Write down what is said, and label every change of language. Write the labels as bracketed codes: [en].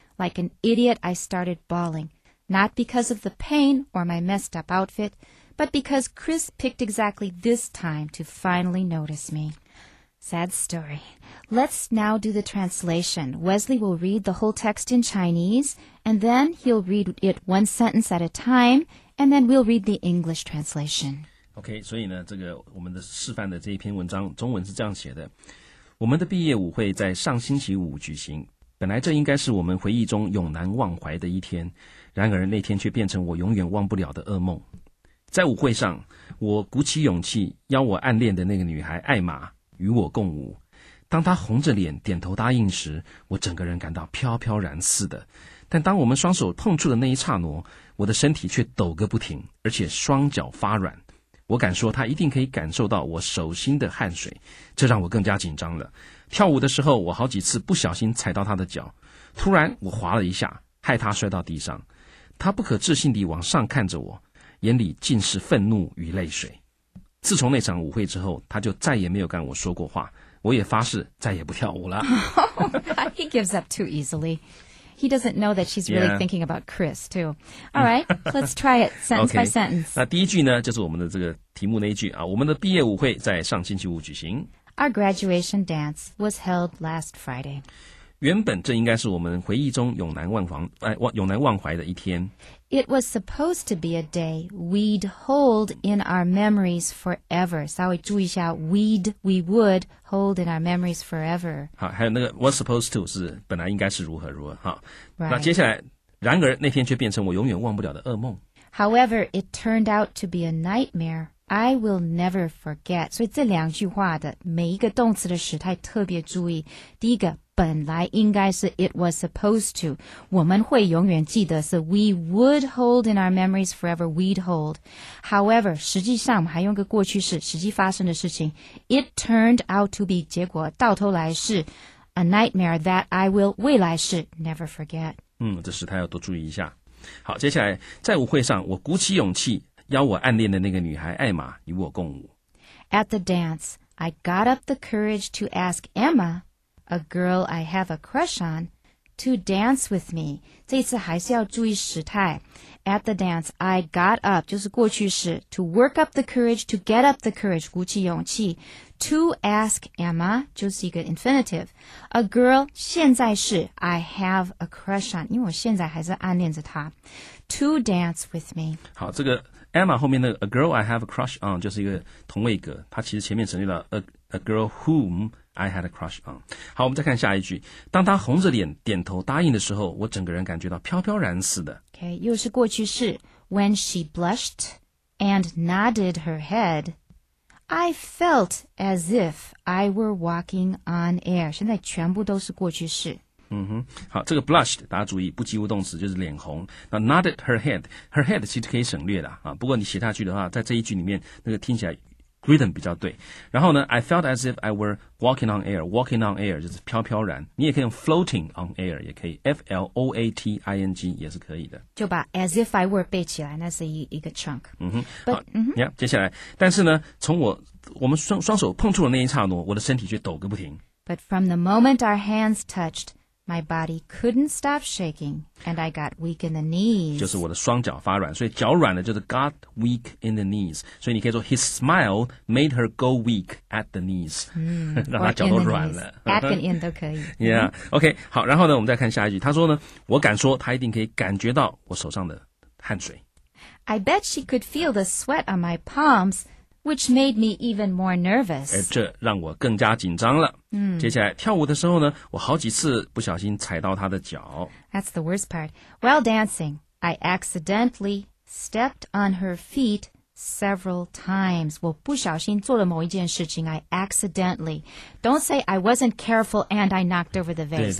[en] Like an idiot, I started bawling. Not because of the pain or my messed up outfit, but because Chris picked exactly this time to finally notice me. Sad story. Let's now do the translation. Wesley will read the whole text in Chinese, and then he'll read it one sentence at a time, and then we'll read the English translation. [zh] Okay, 所以呢，这个我们的示范的这一篇文章，中文是这样写的。我们的毕业舞会在上星期五举行，本来这应该是我们回忆中永难忘怀的一天，然而那天却变成我永远忘不了的噩梦。在舞会上，我鼓起勇气邀我暗恋的那个女孩艾玛与我共舞，当她红着脸点头答应时，我整个人感到飘飘然似的，但当我们双手碰触的那一刹那，我的身体却抖个不停，而且双脚发软。我敢说他一定可以感受到我手心的汗水，这让我更加紧张了。跳舞的时候，我好几次不小心踩到他的脚，突然我滑了一下，害他摔到地上。他不可置信地往上看着我，眼里尽是愤怒与泪水。自从那场舞会之后，他就再也没有跟我说过话。我也发誓再也不跳舞了。 [en] He gives up too easily. He doesn't know that she's really thinking about Chris, too. All right, let's try it sentence by sentence. [zh] 那第一句呢，就是我们的这个题目那一句啊，我们的毕业舞会在上星期五举行。 [en] Our graduation dance was held last Friday. [zh] 原本这应该是我们回忆中永难忘怀的一天。 [en] It was supposed to be a day we'd hold in our memories forever. [zh] 稍微注意一下 [en] we would hold in our memories forever. [zh] 好，还有那个 [en] was supposed to [zh] 是本来应该是如何如何哈。 [en] Right. [zh] 那接下来，然而那天却变成我永远忘不了的噩梦。 [en] However, it turned out to be a nightmare. I will never forget. [zh] 所以这两句话的每一个动词的时态特别注意。第一个，本来应该是 [en] it was supposed to. [zh] 我们会永远记得是 [en] we would hold in our memories forever, we'd hold. [zh] However, 实际上我们还用个过去式，实际发生的事情。 [en] It turned out to be, [zh] 结果到头来是 [en] a nightmare that I will, [zh] 未来是 [en] never forget. [zh] 嗯，这时态要多注意一下。好，接下来，在舞会上，我鼓起勇气邀我暗恋的那个女孩艾玛与我共舞。 [en] At the dance, I got up the courage to ask Emma, a girl I have a crush on, to dance with me. [zh] 这次还是要注意时态。 [en] At the dance, I got up, [zh] 就是过去式 [en] to work up the courage, to get up the courage, [zh] 鼓起勇气 [en] to ask Emma, [zh] 就是一个 [en] infinitive, a girl, [zh] 现在是 [en] I have a crush on, [zh] 因为我现在还是暗恋着她 [en] to dance with me. [zh] 好，这个Emma 后面的 [en] a girl I have a crush on [zh] 就是一个同位格，它其实前面省略了 [en] a girl whom I had a crush on。 [zh] 好，我们再看下一句，当他红着脸点头答应的时候，我整个人感觉到飘飘然似的。 [en] OK， [zh] 又是过去式， [en] When she blushed and nodded her head, I felt as if I were walking on air。 [zh] 现在全部都是过去式。嗯哼，好，这个 blushed 大家注意，不及物动词就是脸红。那 nodded her head， her head 其实可以省略的啊。不过你写下去的话，在这一句里面，那个听起来 rhythm 比较对。然后呢， [en] I felt as if I were walking on air， walking on air [zh] 就是飘飘然。你也可以用 [en] floating on air， [zh] 也可以 F L O A T I N G 也是可以的。就把 [en] as if I were [zh] 背起来，那是一个 chunk。嗯哼，好，你看，接下来，但是呢，从我们双手碰触的那一刹那，我的身体却抖个不停。 [en] But from the moment our hands touched。 My body couldn't stop shaking, and I got weak in the knees. [zh] 就是我的双脚发软，所以脚软的就是 [en] got weak in the knees. [zh] 所以你可以说 [en] his smile made her go weak at the knees. [zh] 让她脚都软了。 at 跟 in 都可以。 Yeah, OK, 好，然后呢，我们再看下一句。他说呢，我敢说他一定可以感觉到我手上的汗水。 [en] I bet she could feel the sweat on my palms. Which made me even more nervous. [zh] 这让我更加紧张了。嗯，接下来跳舞的时候呢，我好几次不小心踩到他的脚。 [en] That's the worst part. While dancing, I accidentally stepped on her feet several times. [zh] 我不小心做了某一件事情。 [en] I accidentally. Don't say I wasn't careful and I knocked over the vase.